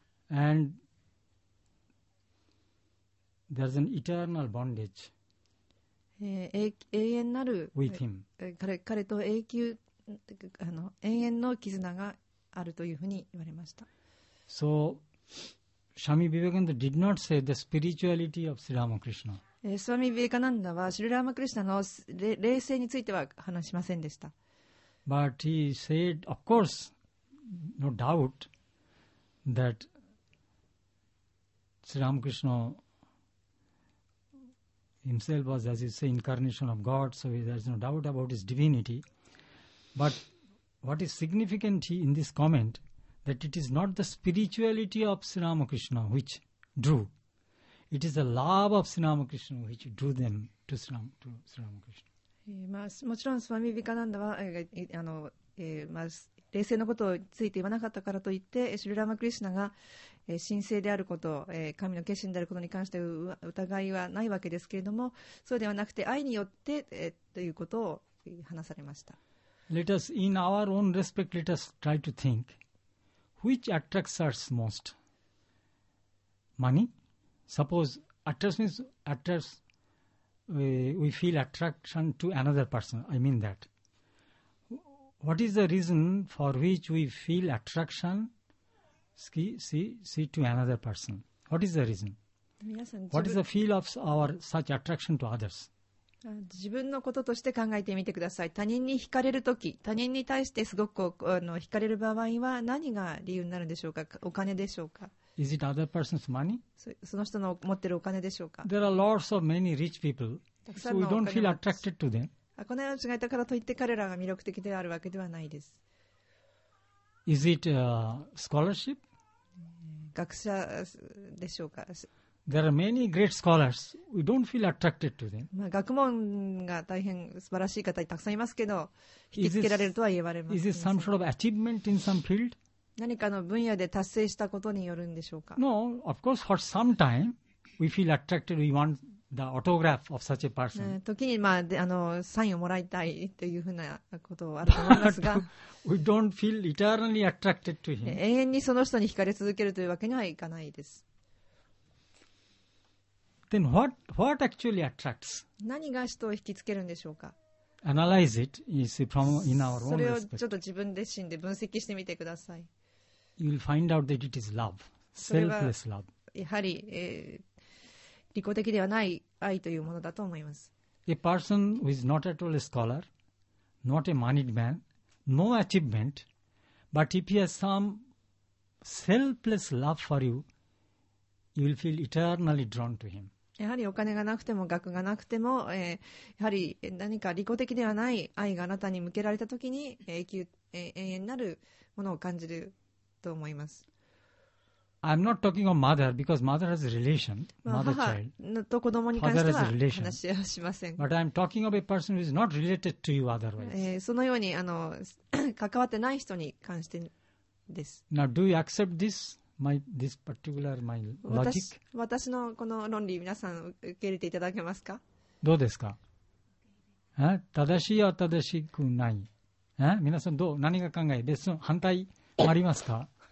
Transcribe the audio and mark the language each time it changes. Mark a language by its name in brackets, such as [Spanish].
[English] And there's an eternal bondage [Japanese] 永遠なる [English] with him. [Japanese] 彼と永久永遠の絆があるというふうに言われました。 [English] So Swami Vivekananda did not say the spirituality of Sri Ramakrishna. [Japanese] Swami Vivekananda はシリラマクリシュナの霊性については話しませんでした。 [English] But he said, of course, no doubt that Sri Ramakrishna himself was, as you say, incarnation of God, so there is no doubt about his divinity. But what is significant in this comment that it is not the spirituality of Sri Ramakrishna which drew, it is the love of Sri Ramakrishna which drew them to Sri Ramakrishna. [Japanese] まあ、もちろんスワミビカナンダは霊性のことについて言わなかったからといって、シュリラマクリシュナが神聖であること、神の化身であることに関して疑いはないわけですけれども、そうではなくて愛によって、ということを話されました。 [English] Let us, in our own respect, let us try to think, which attracts us most? Money? Suppose, attracts means attracts, we feel attraction to another person, I mean that. What is the reason for which we feel attraction see to another person? What is the reason? What is the feel of our such attraction to others? [Japanese] 自分のこととして考えてみてください。他人に惹かれるとき、他人に対してすごく惹かれる場合は何が理由になるんでしょうか？お金でしょうか？ [English] Is it other person's money? [Japanese] その人の持ってるお金でしょうか？ [English] There are lots of many rich people, so we don't feel attracted to them. [Japanese] この間違えたからといって彼らが魅力的であるわけではないです。 [English] Is it a scholarship? [Japanese] 学者でしょうか。 [English] There are many great scholars. We don't feel attracted to them. [Japanese] 学問が大変素晴らしい方たくさんいますけど、引きつけられるとは言われません。 [English] Is it some sort of achievement in some field? [Japanese] 何かの分野で達成したことによるんでしょうか。 [English] No, of course for some time we feel attracted, we wantThe autograph of such a person. [Japanese] 時に、まあ、サインをもらいたいというふうなことはあると思いますが、 [English] we don't feel eternally attracted to him. [Japanese] 永遠にその人に惹かれ続けるというわけにはいかないです。 [English] Then what actually attracts? [Japanese] 何が人を引きつけるんでしょうか。 [English] Analyze it. You see, from in our own respect. [Japanese] それをちょっと自分自身で分析してみてください。 [English] You will find out that it is love, selfless love. [Japanese] やはり。利己的ではない愛というものだと思います。 [English] A person who is not at all a scholar, not a moneyed man, no achievement, but if he has some selfless love for you, you will feel eternally drawn to him. [Japanese] やはりお金がなくても学がなくても、やはり何か利己的ではない愛があなたに向けられたときに永遠なるものを感じると思います。 [English] I'm not talking of mother because mother has a relation, mother child. [Japanese] 母と子供に関しては話はしません。 [English] But I'm talking of a person who is not related to you otherwise. [Japanese] そのように関わってない人に関してです。 [English] Now, do you accept this particular my logic? [Japanese] 私のこの論理皆さん受け入れていただけますか？どうですか？正しいは正しくない。皆さんどう何が考え別の反対もありますか？